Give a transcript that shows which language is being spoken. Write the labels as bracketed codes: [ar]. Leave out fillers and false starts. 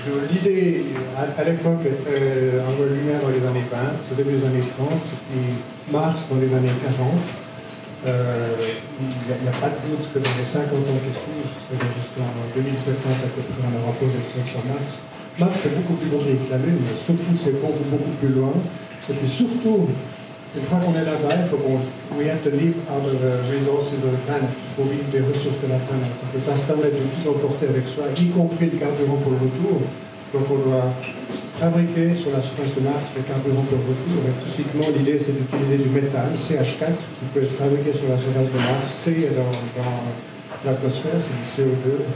[fr] L'idée, à l'époque, était en lumière dans les années 20, au début des années 30, puis Mars dans les années 40. Il n'y a pas de doute que dans les 50 ans qui suivent, jusqu'en 2050 à peu près, on aura posé le sol sur Mars. Mars est beaucoup plus gros que la Lune, mais surtout c'est beaucoup, beaucoup plus loin. Et puis surtout, une fois qu'on est là-bas, il faut qu'on... [en] We have to live out of the resources of the planet. [fr] Il faut vivre des ressources de la planète. On ne peut pas se permettre de tout emporter avec soi, y compris le carburant pour le retour. Donc on doit fabriquer sur la surface de Mars le carburant pour le retour. Et typiquement, l'idée, c'est d'utiliser du méthane, CH4, qui peut être fabriqué sur la surface de Mars, C dans l'atmosphère, c'est du CO2.